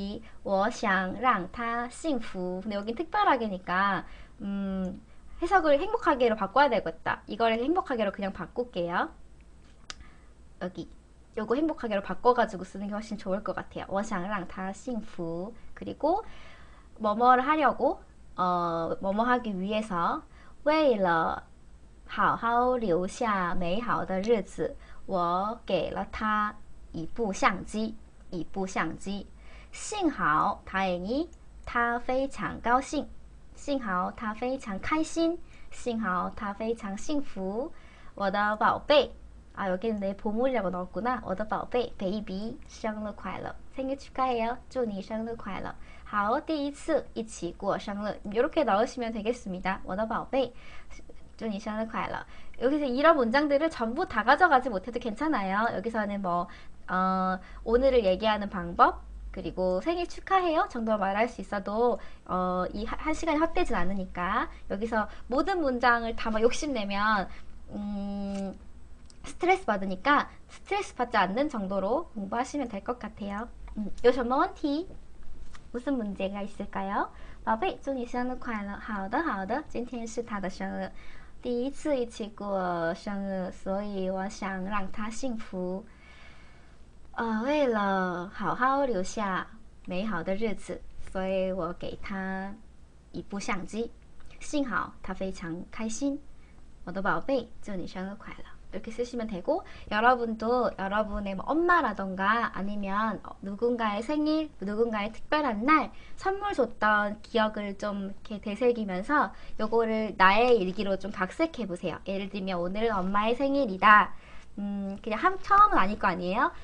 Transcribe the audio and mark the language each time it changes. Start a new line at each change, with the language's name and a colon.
Chinese: 第一次一起过生日，所以我想让他幸福.
Korean: 근데 여긴 특별하게니까 해석을 행복하게로 바꿔야 되겠다. 이거를 행복하게로 그냥 바꿀게요. 여기 요거 행복하게로 바꿔가지고 쓰는 게 훨씬 좋을 것 같아요.
Chinese: 워샹랑 다 싱푸.
Korean: 그리고 뭐뭐를 하려고 뭐뭐 하기 위해서
Chinese: 为了 好好留下美好的日子，我给了他一部相机，一部相机。幸好,
Korean: 다행히,
Chinese: 他非常高兴。幸好他非常开心。幸好他非常幸福。我的宝贝，
Korean: 아 여기는 내 보물이라고 넣었구나.
Chinese: 我的宝贝，baby，生日快乐，
Korean: 생일축하해요，
Chinese: 祝你生日快乐。好，第一次一起过生日，
Korean: 이렇게넣으시면되겠습니다。
Chinese: 我的宝贝。祝你生日快乐。
Korean: 여기서 이런 문장들을 전부 다 가져가지 못해도 괜찮아요. 여기서는 뭐, 오늘을 얘기하는 방법, 그리고 생일 축하해요 정도 말할 수 있어도, 이한 시간이 헛되진 않으니까. 여기서 모든 문장을 다막 욕심내면, 스트레스 받으니까 스트레스 받지 않는 정도로 공부하시면 될것 같아요. 요
Chinese: 什么问题?
Korean: 무슨 문제가 있을까요?
Chinese: 바베, 祝你生日快乐。好的，好的，今天是他的生日。第一次一起过生日，所以我想让他幸福。为了好好留下美好的日子，所以我给他一部相机。幸好他非常开心。我的宝贝，祝你生日快乐。
Korean: 이렇게 쓰시면 되고, 여러분도 여러분의 뭐 엄마라던가 아니면 누군가의 생일, 누군가의 특별한 날 선물 줬던 기억을 좀 이렇게 되새기면서 요거를 나의 일기로 좀 각색해 보세요. 예를 들면 오늘은 엄마의 생일이다. 그냥 처음은 아닐 거 아니에요?